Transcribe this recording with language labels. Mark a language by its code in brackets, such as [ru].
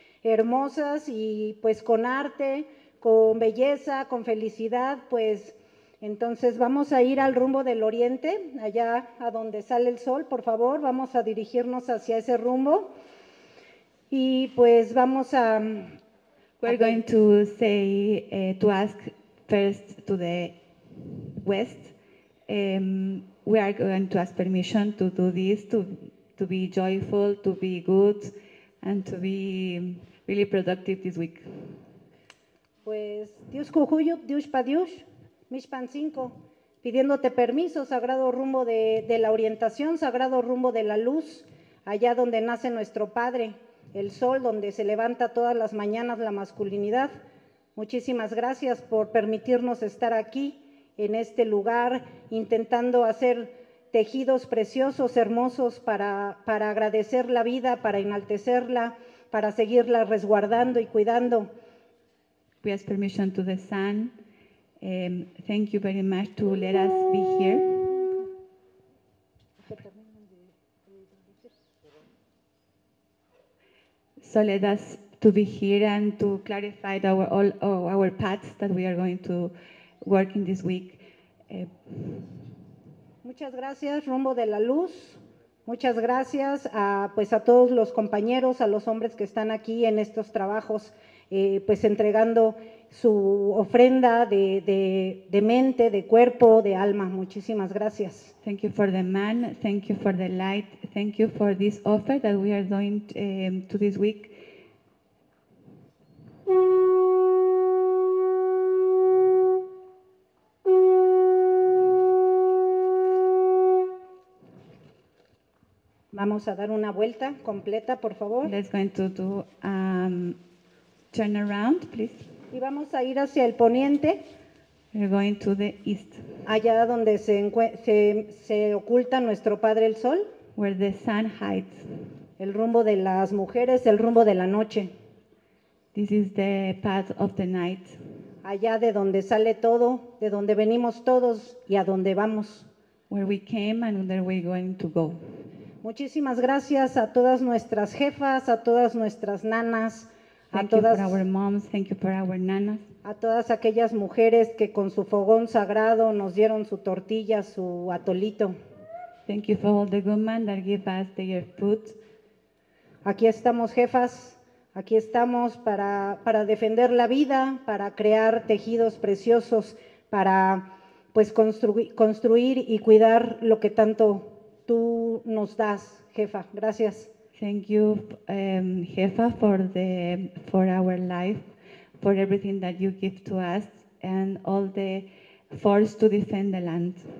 [es] hermosas y pues con arte, con belleza, con felicidad, pues entonces vamos a ir al rumbo del oriente, allá a donde sale el sol, por favor, vamos a dirigirnos hacia ese rumbo y pues vamos a… [en] We're going to say, to ask first to the west, we are going to ask permission to do this, to be joyful, to be good and to be really productive this week. [es] Pues, Dios Cujuyup, Dios Padiush, Mishpan 5, pidiéndote permiso, sagrado rumbo de la orientación, sagrado rumbo de la luz, allá donde nace nuestro Padre, el sol, donde se levanta todas las mañanas la masculinidad. Muchísimas gracias por permitirnos estar aquí, en este lugar, intentando hacer tejidos preciosos, hermosos, para agradecer la vida, para enaltecerla, para seguirla resguardando y cuidando. [en] We ask permission to the sun. Thank you very much to let us be here. So let us to be here and to clarify all our paths that we are going to work in this week. [es] Muchas gracias, rumbo de la luz. Muchas gracias a todos los compañeros, a los hombres que están aquí en estos trabajos. Pues entregando su ofrenda de mente, de cuerpo, de alma. Muchísimas gracias. [en] Thank you for the man, thank you for the light, thank you for this offer that we are doing to this week. [es] Vamos a dar una vuelta completa, por favor. [en] Let's going to do turn around, please. [es] Y vamos a ir hacia el poniente. [en] We're going to the east. [es] Allá donde se oculta nuestro padre el sol. [en] Where the sun hides. [es] El rumbo de las mujeres, el rumbo de la noche. [en] This is the path of the night. [es] Allá de donde sale todo, de donde venimos todos y a donde vamos. [en] Where we came and where we're going to go. [es] Muchísimas gracias a todas nuestras jefas, a todas nuestras nanas. A todas aquellas mujeres que con su fogón sagrado nos dieron su tortilla, su atolito. [en] Thank you for all the good men that give us their food. [es] aquí estamos jefas, aquí estamos para defender la vida, para crear tejidos preciosos, para pues construir y cuidar lo que tanto tú nos das, jefa. Gracias. [en] Thank you, jefa, for our life, for everything that you give to us and all the force to defend the land.